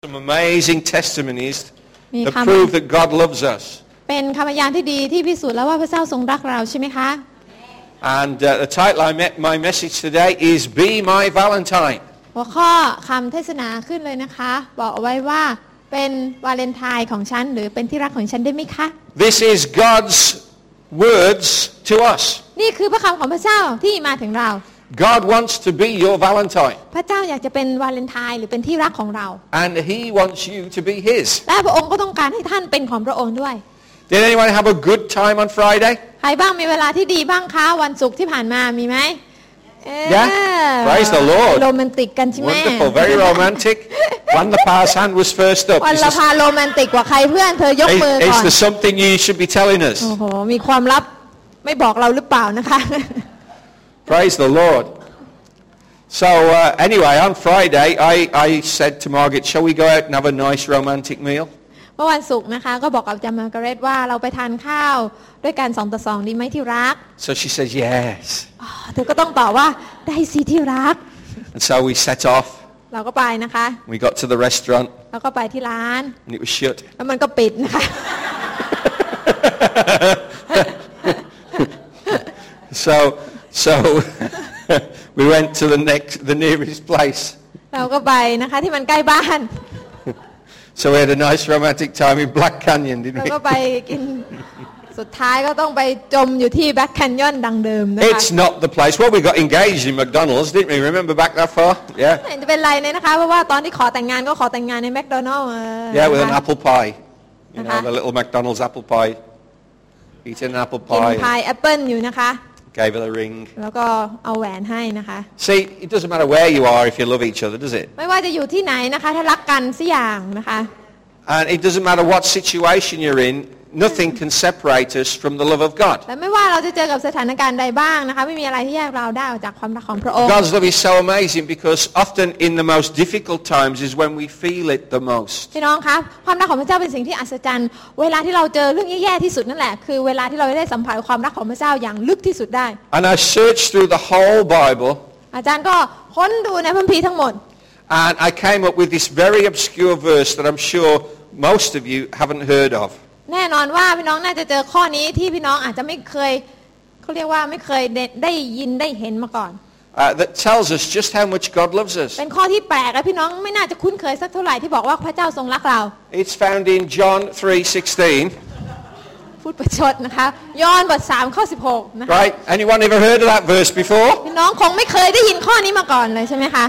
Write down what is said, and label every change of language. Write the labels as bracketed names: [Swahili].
[English] Some amazing testimonies that prove that God loves us. [Thai] เป็นคำพยานที่ดีที่พิสูจน์แล้วว่าพระเจ้าทรงรักเราใช่ไหมคะ [English] And the title I met my message today is Be My Valentine. [Thai] หัวข้อคำเทศนาขึ้นเลยนะคะบอกเอาไว้ว่าเป็นวาเลนไทน์ของฉันหรือเป็นที่รักของฉันได้ไหมคะ [English] This is God's words to us. [Thai] นี่คือพระคำของพระเจ้าที่มาถึงเรา [English] God wants to be your Valentine. [Thai] พระเจ้าอยากจะเป็นวาเลนไทน์หรือเป็นที่รักของเรา [English] And He wants you to be His. [Thai] และพระองค์ก็ต้องการให้ท่านเป็นของพระองค์ด้วย [English] Did anyone have a good time on Friday? [Thai] ใครบ้างมีเวลาที่ดีบ้างคะวันศุกร์ที่ผ่านมามีไหม [English] Yeah. Praise the Lord. [Thai] Romantic กันใช่ไหม [English] Wonderful. Very romantic. When the person was first up. [Thai] วันละพา romantic กว่าใครเพื่อนเธอยกมือก่อน [English] Is there something you should be telling us? [Thai] โอ้โหมีความลับไม่บอกเราหรือเปล่านะคะ [English] Praise the Lord. So anyway, on Friday, I said to Margaret, "Shall we go out and have a nice romantic meal?" [Thai] เมื่อวันศุกร์นะคะก็บอกกับจามาร์กาเร็ตว่าเราไปทานข้าวด้วยกันสองต่อสองดีไหมที่รัก [English] so she says yes [Thai] เธอก็ต้องตอบว่าได้สิที่รัก [English] and so we set off [Thai] เราก็ไปนะคะ [English] we got to the restaurant [Thai] เราก็ไปที่ร้าน [English] and it was shut [Thai] แล้วมันก็ปิดนะคะ [English] so we went to the nearest place [Thai] เราก็ไปนะคะที่มันใกล้บ้าน [English] So we had a nice romantic time in Black Canyon, didn't we? [Thai] ก็ไปกินสุดท้ายก็ต้องไปจมอยู่ที่ Black Canyon ดังเดิมนะคะ [English] It's not the place. Well, we got engaged in McDonald's, didn't we? Remember back that far? Yeah. [Thai] เป็นไรเลยนะคะเพราะว่าตอนที่ขอแต่งงานก็ขอแต่งงานใน McDonald's. [English] Yeah, with an apple pie. You know, the little McDonald's apple pie. Eating an apple pie. [Thai] กินพายแอปเปิ้ลอยู่นะคะ [English] Gave her a ring. [Thai] แล้วก็เอาแหวนให้นะคะ [English] See, it doesn't matter where you are if you love each other, does it? [Thai] ไม่ว่าจะอยู่ที่ไหนนะคะถ้ารักกันสักอย่างนะคะ [English] And it doesn't matter what situation you're in, nothing can separate us from the love of God. [Thai] และไม่ว่าเราจะเจอกับสถานการณ์ใดบ้างนะคะไม่มีอะไรที่แยกเราได้จากความรักของพระองค์ [English] God's love is so amazing because often in the most difficult times is when we feel it the most. [Thai] พี่น้องคะความรักของพระเจ้าเป็นสิ่งที่อัศจรรย์เวลาที่เราเจอเรื่องแย่ๆที่สุดนั่นแหละคือเวลาที่เราได้สัมผัสความรักของพระเจ้าอย่างลึกที่สุดได้ [English] And I searched through the whole Bible. [Thai] อาจารย์ก็ค้นดูในพระคัมภีร์ทั้งหมด [English] And I came up with this very obscure verse that I'm sure most of you haven't heard of. [Thai] แน่นอนว่าพี่น้องน่าจะเจอข้อนี้ที่พี่น้องอาจจะไม่เคยเขาเรียกว่าไม่เคยได้ยินได้เห็นมาก่อน [English] That tells us just how much God loves us [Thai] เป็นข้อที่แปลกและพี่น้องไม่น่าจะคุ้นเคยสักเท่าไหร่ที่บอกว่าพระเจ้าทรงรักเรา [English] It's found in John 3:16 [Thai] พูดประชดนะคะยอห์นบทสามข้อสิบหกนะคะ [English] Right anyone ever heard of that verse before [Thai] พี่น้องคงไม่เคยได้ยินข้อนี้มาก่อนเลยใช่ไหมคะ